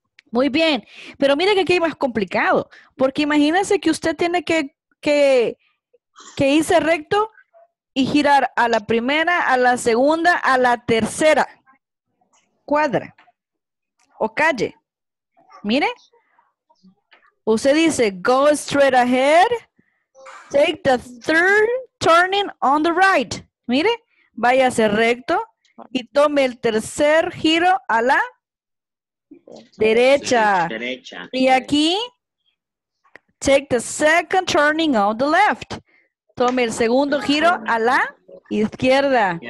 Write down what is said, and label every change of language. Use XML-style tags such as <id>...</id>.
<es>Muy bien, pero mire que aquí hay más complicado, porque imagínese que usted tiene que irse recto y girar a la primera, a la segunda, a la tercera cuadra o calle.</es> <en>Mire, usted dice, go straight ahead, take the third turning on the right.</en> <es>Mire, váyase recto y tome el tercer giro a la derecha. Derecha.</es> <en>Y aquí, take the second turning on the left.</en> <es>Tome el segundo giro a la izquierda.</es>